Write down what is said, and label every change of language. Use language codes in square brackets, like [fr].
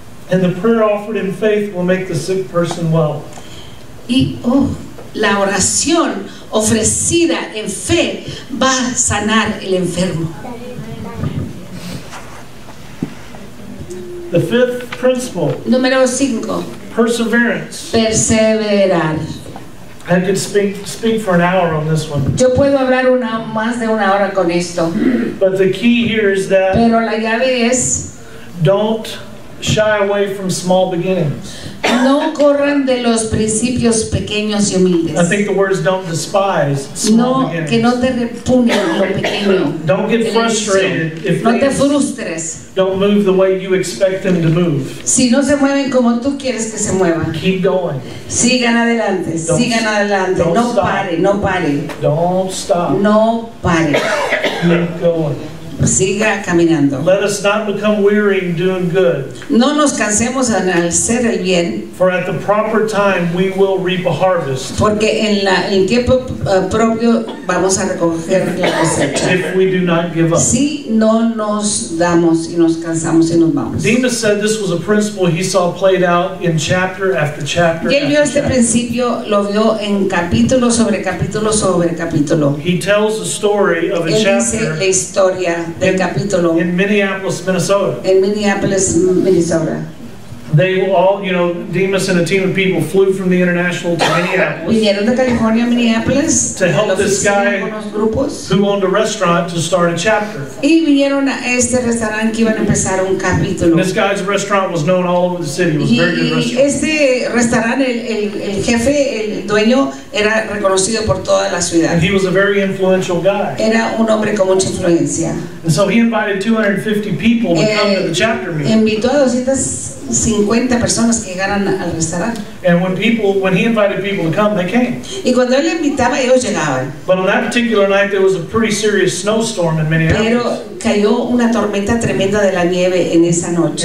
[en] And the prayer offered in faith will make the sick person well. [es] Y la oración ofrecida en fe va a sanar el enfermo. [en] The fifth principle. [es] Número cinco. [en] Perseverance. [es] Perseverar. [en] I could speak for an hour on this one. [es] Yo puedo hablar una más de una hora con esto. [en] But the key here is that. [es] Pero la llave es. [en] Don't shy away from small beginnings. [es] No corran de los principios pequeños y humildes. [en] I think the words don't despise small beginnings. [es] No, que no te repugnen lo pequeño. [en] Don't get frustrated if [es] no te frustres. [en] Don't move the way you expect them to move. [es] Si no se mueven como tú quieres que se muevan. [en] Keep going. [es] Sigan adelante. [en] Don't stop. [es] No pare. [en] Don't stop. [es] No pare. [en] Keep going. [es] Siga caminando. [en] Let us not become weary in doing good. [es] No nos cansemos en hacer el bien. [en] For at the proper time we will reap a harvest. [es] Porque en la en tiempo propio vamos a recoger la cosecha. [en] If we do not give up. [es] Si no nos damos y nos cansamos y nos vamos. [en] Demas said this was a principle he saw played out in chapter after chapter. [es] Y él vio este principio, lo vio en capítulo sobre capítulo sobre capítulo. [en] He tells the story of a chapter. [es] Él dice la historia. Del capítulo. [en] In Minneapolis, Minnesota. [es] En Minneapolis, Minnesota. [en] They all, you know, Demas and a team of people flew from the international to Minneapolis. [es] Vinieron de California a Minneapolis. [en] To help this guy who owned a restaurant to start a chapter. [es] Y vinieron a este restaurante que iban a empezar un capítulo. [en] This guy's restaurant was known all over the city. It was a very good restaurant. [es] Este restaurante, el jefe, el dueño, era reconocido por toda la ciudad. [en] And he was a very influential guy. [es] Era un hombre con mucha influencia. [en] And so he invited 250 people to come to the chapter meeting. [es] Invitó a 250 personas que llegaran al restaurante. [en] And when he invited people to come, they came. [es] Y cuando él invitaba, ellos llegaban. [en] But on that particular night, there was a pretty serious snowstorm in Minneapolis. [es] Pero cayó una tormenta tremenda de la nieve en esa noche.